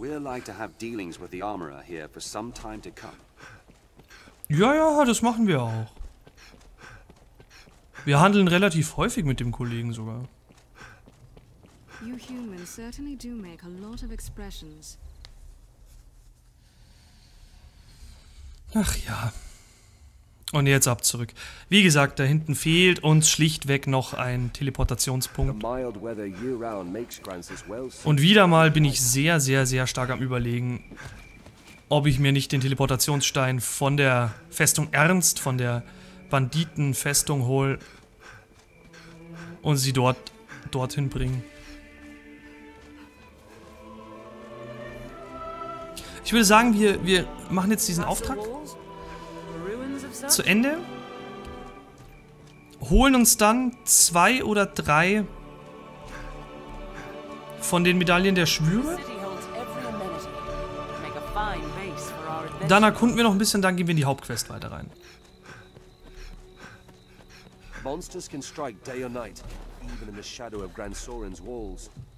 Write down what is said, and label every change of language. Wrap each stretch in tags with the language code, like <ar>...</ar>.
<en>We'd like to have dealings with the armorer here for some time to come.</en> <de>Ja, ja, das machen wir auch. Wir handeln relativ häufig mit dem Kollegen sogar.</de> <en>You humans certainly do make a lot of expressions.</en> <de>Ach ja. Und jetzt ab zurück. Wie gesagt, da hinten fehlt uns schlichtweg noch ein Teleportationspunkt. Und wieder mal bin ich sehr, sehr, sehr stark am Überlegen, ob ich mir nicht den Teleportationsstein von der Festung Ernst, von der Banditenfestung hole. Und sie dorthin bringen. Ich würde sagen, wir machen jetzt diesen Auftrag zu Ende. Holen uns dann zwei oder drei von den Medaillen der Schwüre. Dann erkunden wir noch ein bisschen, dann gehen wir in die Hauptquest weiter rein.</de> <en>Monsters can strike day or night. Even in the shadow of Grand Sorin's walls.</en>